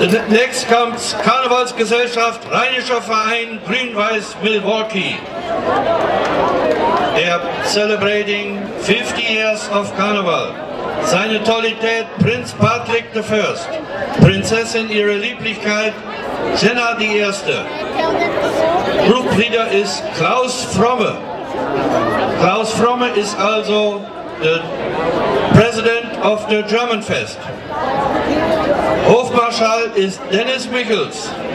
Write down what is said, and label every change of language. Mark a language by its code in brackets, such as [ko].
[en] Next comes Karnevalsgesellschaft Rheinischer Verein Grün-Weiß Milwaukee. They are celebrating 50 years of Karneval. [de] Seine Tollität Prinz Patrick [en] the First, [de] Prinzessin ihre Lieblichkeit Jenna die Erste. [en] Group leader is Klaus Fromme. Klaus Fromme is also the president of the German Fest. [de] Hofmarschall ist Dennis Michels.